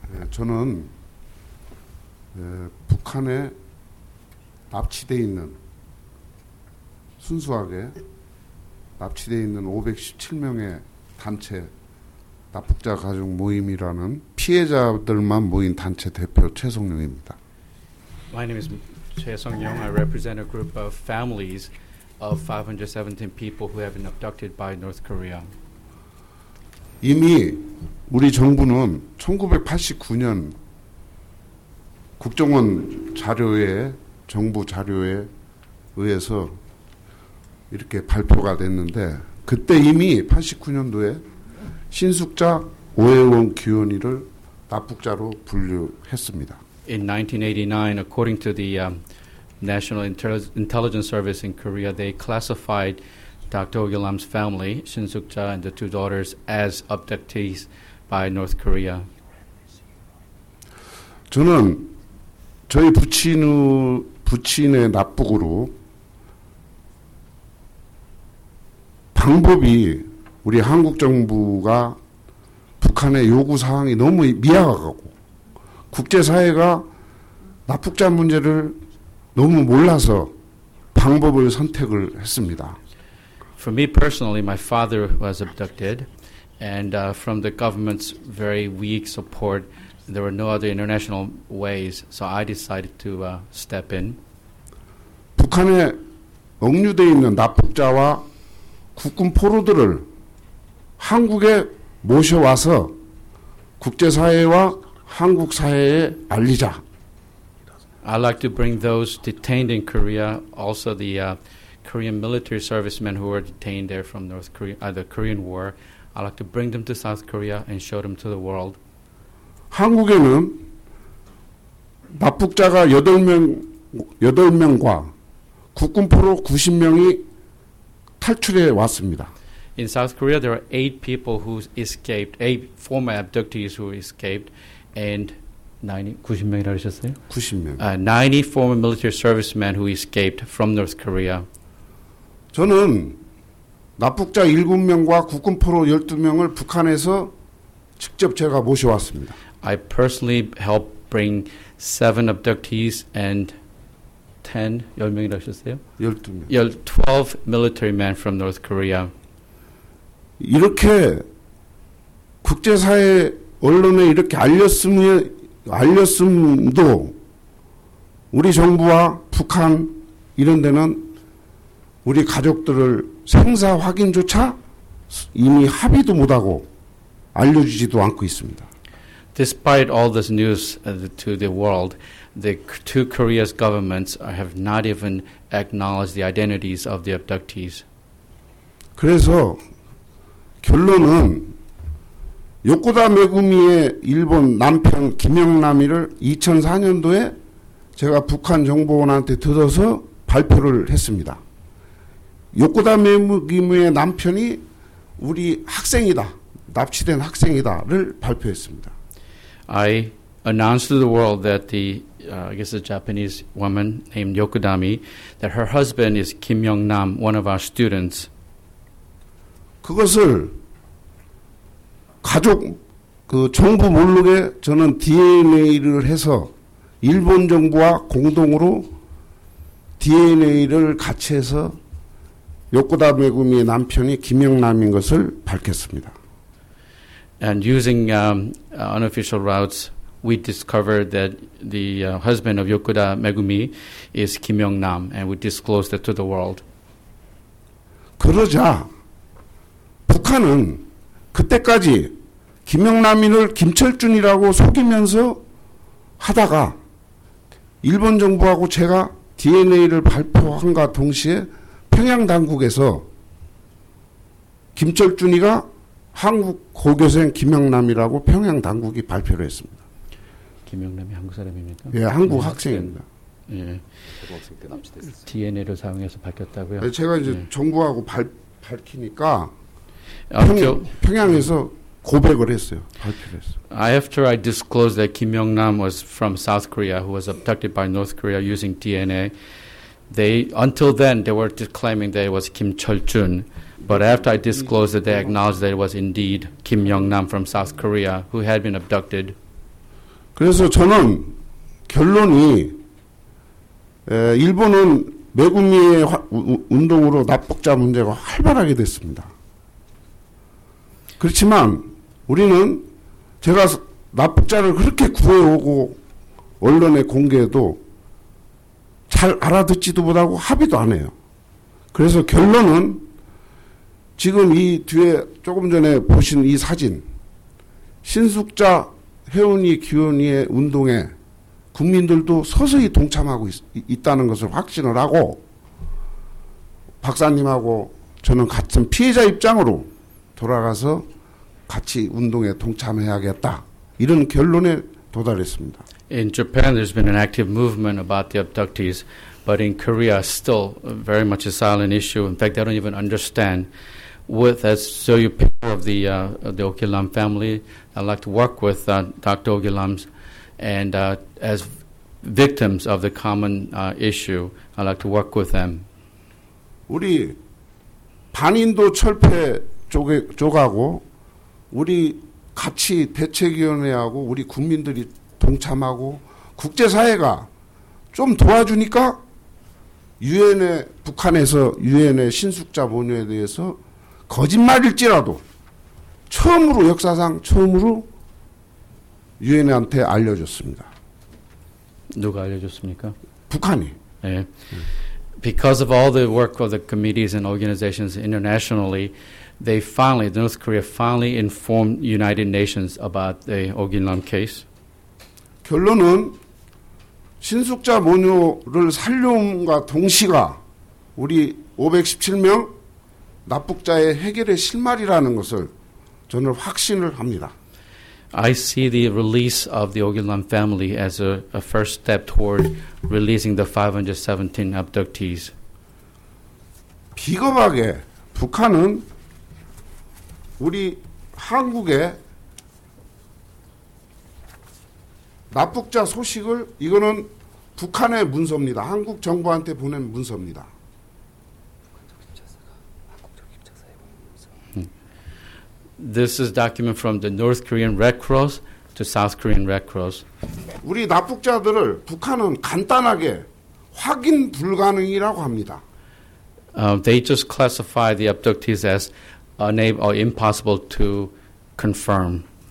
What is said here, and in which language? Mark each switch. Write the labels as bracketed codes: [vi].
[ko] 저는 북한에 납치돼 있는 순수하게 납치돼 있는 517명의 단체 납북자 가족 모임이라는 피해자들만 모인 단체 대표 최성용입니다. [en] My name is Choi Sung-young. I represent a group of families of 517 people who have been abducted by North Korea. [ko] 이미 우리 정부는 1989년 국정원 자료에 정부 자료에 의해서 이렇게 발표가 됐는데 그때 이미 89년도에 신숙자 오해원 규현이를 납북자로 분류했습니다. [en] In 1989, according to the National Intelligence Service in Korea, they classified Dr. Oh Kil-nam's family, Shin-suk-ja and the two daughters, as abductees by North Korea. [ko] 저는 저희 부친의 납북으로 방법이 우리 한국 정부가 북한의 요구 사항이 너무 미약하고 국제사회가 납북자 문제를 너무 몰라서 방법을 선택을 했습니다. [en] For me personally, my father was abducted, and from the government's very weak support, there were no other international ways, so I decided to step in. [ko] 북한에 억류돼 있는 납북자와 국군 포로들을 한국에 모셔와서 국제사회와 한국 사회에 알리자. [en] I'd like to bring those detained in Korea, also the Korean military servicemen who were detained there from North Korea, the Korean War. I'd like to bring them to South Korea and show them to the world. [ko] 한국에는 납북자가 8명과 국군 포로 90명이 탈출해 왔습니다. [en] In South Korea, there are eight people who escaped, eight former abductees who escaped, and [ko] 90명이라고 하셨어요? 90명. [en] 90 former military servicemen who escaped from North Korea. [ko] 저는 납북자 7명과 국군 포로 12명을 북한에서 직접 제가 모셔왔습니다. [en] I personally helped bring seven abductees and [ko] 10명이라고 하셨어요? 12명. [en] 12 military men from North Korea. [ko] 이렇게 국제사회 언론에 이렇게 알렸음도 우리 정부와 북한 이런 데는 우리 가족들을 생사 확인조차 이미 합의도 못하고 알려주지도 않고 있습니다. [en] Despite all this news to the world, the two Korea's governments have not even acknowledged the identities of the abductees. [ko] 그래서 결론은 요코다 메구미의 일본 남편 김영남이를 2004년도에 제가 북한 정보원한테 들어서 발표를 했습니다. 요코다 메구미의 남편이 우리 학생이다, 납치된 학생이다를 발표했습니다. [en] I announced to the world that the I guess a Japanese woman named Yokodami, that her husband is Kim Young-nam, one of our students. [ko] 그것을 가족 그 정부 모르게 저는 DNA를 해서 일본 정부와 공동으로 DNA를 같이 해서 요코다 메구미의 남편이 김영남인 것을 밝혔습니다. [en] And using unofficial routes, we discovered that the husband of Yokoda Megumi is Kim Young-nam, and we disclosed it to the world. [ko] 그러자 북한은 그때까지 김영남인을 김철준이라고 속이면서 하다가 일본 정부하고 제가 DNA를 발표한과 동시에 평양 당국에서 김철준이가 한국 고교생 김영남이라고 평양 당국이 발표를 했습니다. 김영남이 한국 사람입니까? 예, 한국 학생입니다. 예. DNA를 사용해서 밝혔다고요? 예, 제가 이제 예. 정부하고 밝히니까 평양에서 고백을 했어요. 발표를 했어요. [en] After I disclosed that Kim Young-nam was from South Korea, who was abducted by North Korea using DNA, they until then they were claiming that it was Kim Cheol-jun. But after I disclosed that, they acknowledged that it was indeed Kim Young-nam from South Korea who had been abducted. [ko] 그래서 저는 결론이 일본은 메구미의 운동으로 납북자 문제가 활발하게 됐습니다. 그렇지만 우리는 제가 납북자를 그렇게 구해오고 언론에 공개해도 잘 알아듣지도 못하고 합의도 안 해요. 그래서 결론은 지금 이 뒤에 조금 전에 보신 이 사진 신숙자 회원이 기원이의 운동에 국민들도 서서히 동참하고 있다는 것을 확신을 하고 박사님하고 저는 같은 피해자 입장으로 돌아가서 같이 운동에 동참해야겠다 이런 결론에 도달했습니다. [en] In Japan, there's been an active movement about the abductees, but in Korea, still very much a silent issue. In fact, they don't even understand. With as so you picture of the Ogilam family, I'd like to work with Dr. Ogilams, and as victims of the common issue, I'd like to work with them. [ko] 우리 반인도 철폐 쪽하고 우리 같이 대책위원회하고 우리 국민들이 동참하고 국제사회가 좀 도와주니까 유엔의 북한에서 유엔의 신숙자 모녀에 대해서 거짓말일지라도 처음으로 역사상 처음으로 유엔한테 알려줬습니다. 누가 알려줬습니까? 북한이. 네. [en] Because of all the work of the committees and organizations internationally, they finally, North Korea finally informed United Nations about the Ogilam case. [ko] 결론은 신숙자 모녀를 살려온과 동시가 우리 517명 납북자의 해결의 실마리라는 것을 저는 확신을 합니다. [en] I see the release of the Ogilam family as a first step toward releasing the 517 abductees. [ko] 비겁하게 북한은 우리 한국의 납북자 소식을 이거는 북한의 문서입니다. 한국 정부한테 보낸 문서입니다. [en] This is a document from the North Korean Red Cross to South Korean Red Cross. [ko] 우리 납북자들을 북한은 간단하게 확인 불가능이라고 합니다. [en] They just classify the abductees as unable or impossible to confirm.